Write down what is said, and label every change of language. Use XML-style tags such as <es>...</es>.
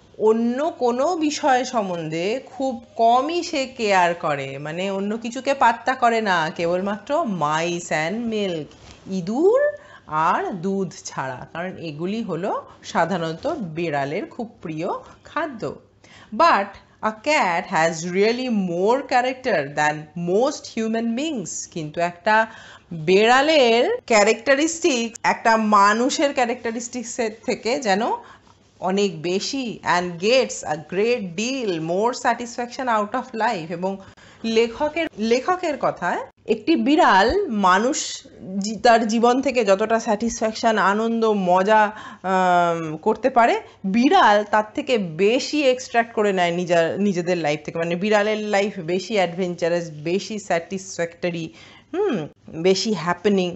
<bn>অন্য কোনো বিষয় সম্বন্ধে খুব কমই সে কেয়ার করে, মানে অন্য কিছুকে পাত্তা করে না, কেবলমাত্র</bn> <en>mice and milk,</en> <bn>ইঁদুর আর দুধ ছাড়া, কারণ এগুলি হলো সাধারণত বিড়ালের খুব প্রিয় খাদ্য।</bn> <en>But A cat has really more character than most human beings.</en> <bn>কিন্তু একটা বিড়ালের characteristics একটা মানুষের characteristics থেকে যেন অনেক বেশি,</bn> <en>and gets a great deal more satisfaction out of life.</en> <bn>এবং লেখকের কথায় একটি বিড়াল মানুষ তার জীবন থেকে যতটা স্যাটিসফ্যাকশন, আনন্দ, মজা করতে পারে, বিড়াল তার থেকে বেশি এক্সট্র্যাক্ট করে নেয় নিজেদের লাইফ থেকে, মানে বিড়ালের লাইফ বেশি অ্যাডভেঞ্চারাস, বেশি স্যাটিসফ্যাক্টরি, বেশি হ্যাপেনিং।</bn>